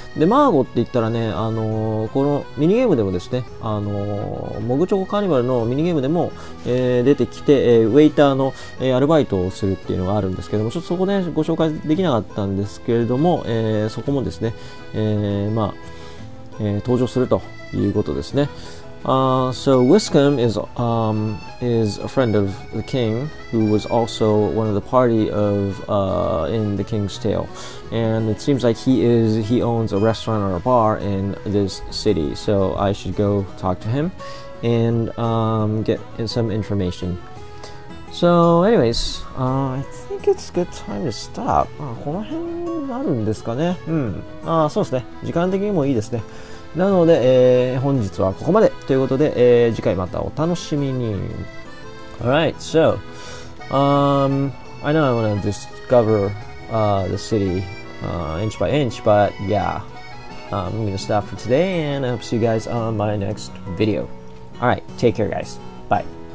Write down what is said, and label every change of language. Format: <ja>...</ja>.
<ja>で、マーゴって言ったらね、このミニゲームでもですね、モグチョコカーニバルのミニゲームでも、出てきて、ウェイターの、アルバイトをするっていうのがあるんですけども、ちょっとそこね、ご紹介できなかったんですけれども、そこもですね、まあ、登場するということですね。</ja> <en>So Wiscombe is a friend of the king, who was also one of the party of in the King's Tale, and it seems like he owns a restaurant or a bar in this city. So I should go talk to him and get some information. So, anyways, I think it's a good time to stop.</en> <ja>この辺になるんですかね。そうですね。時間的にもいいですね。なので、本日はここまでということで、次回またお楽しみに。</ja> <en>Alright, so, I know I want to discover, the city, inch by inch, but yeah, I'm going to stop for today and I hope to see you guys on my next video. Alright, take care guys. Bye.</en>